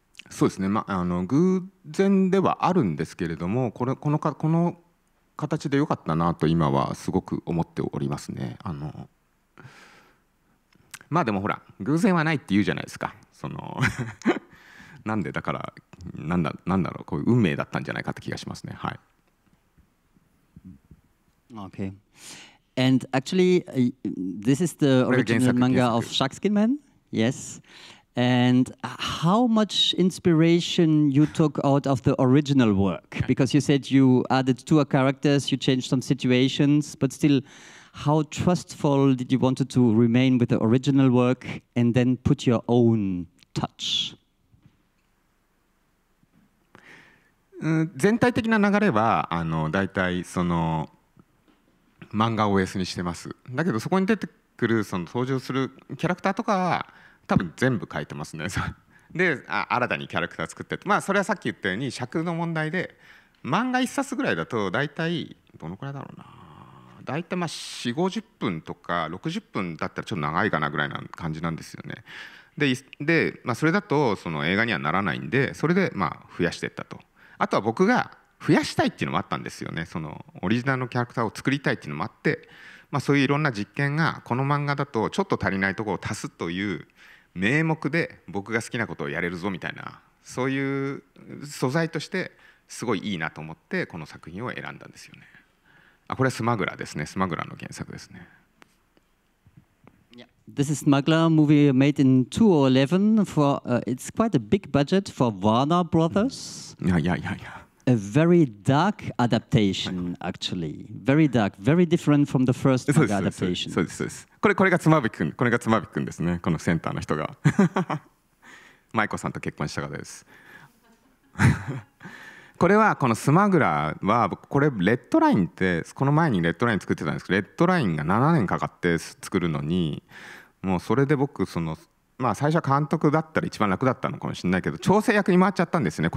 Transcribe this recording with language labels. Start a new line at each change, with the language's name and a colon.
Japanese: そうですね、まあ偶然ではあるんですけれども、この形で良かったなと今はすごく思っておりますね。まあでもほら、偶然はないって言うじゃないですか。なんでだから、なんだろう、こういう運命だったんじゃないかって気がしますね。はい。
English: Okay. And actually, this is the original manga of Sharkskin Man. Yes. And how much inspiration you took out of the original work? Because you said you added two characters, you changed some situations, but still, how trustful did you want to remain with the original work and then put your own touch?
Japanese: 全体的な流れは、大体その漫画をベースにしてます。だけどそこに出てくる、その登場するキャラクターとかは多分全部書いてますね。で、新たにキャラクター作って、まあそれはさっき言ったように尺の問題で、漫画一冊ぐらいだと大体どのくらいだろうな、大体まあ 4,50 分とか60分だったらちょっと長いかなぐらいな感じなんですよね。で、まあ、それだとその映画にはならないんで、それでまあ増やしていったと。あとは僕が増やしたいっていうのもあったんですよね。そのオリジナルのキャラクターを作りたいっていうのもあって、まあ、そういういろんな実験がこの漫画だとちょっと足りないところを足すという名目で僕が好きなことをやれるぞみたいな、そういう素材としてすごいいいなと思ってこの作品を選んだんですよね。あ、これはスマグラですね。スマグラの原作ですね。
English: This is Smuggler, a movie made in 2011. For, it's quite a big budget for Warner Brothers. Yeah. A very dark adaptation, actually. Very dark, very different from the first manga adaptation.
Japanese: そうです、そうです。これがつまびくん、これがつまびくんですね。このセンターの人が。舞子さんと結婚した方です。これはこのスマグラーは、これレッドラインって、この前にレッドライン作ってたんですけど、レッドラインが7年かかって作るのに、もうそれで僕その、まあ最初は監督だったら一番楽だったのかもしれないけど、調整役に回っちゃったんですね。